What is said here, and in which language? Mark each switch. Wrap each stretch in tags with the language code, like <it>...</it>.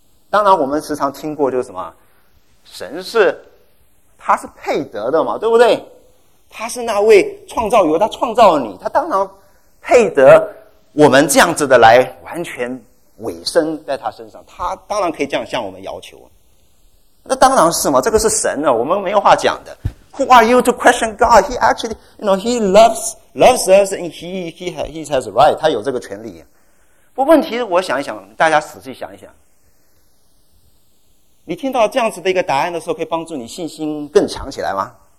<zh>当然，我们时常听过就是什么，神是他是配得的嘛，对不对？他是那位创造有他创造你，他当然配得我们这样子的来完全委身在他身上，他当然可以这样向我们要求。那当然是嘛，这个是神的，我们没有话讲的。</zh> <en>Who are you to question God? He actually, you know, he loves us and he has a right,</en> <zh>他有这个权利。不，问题我想一想，大家仔细想一想。你听到这样子的一个答案的时候，可以帮助你信心更强起来吗？</zh>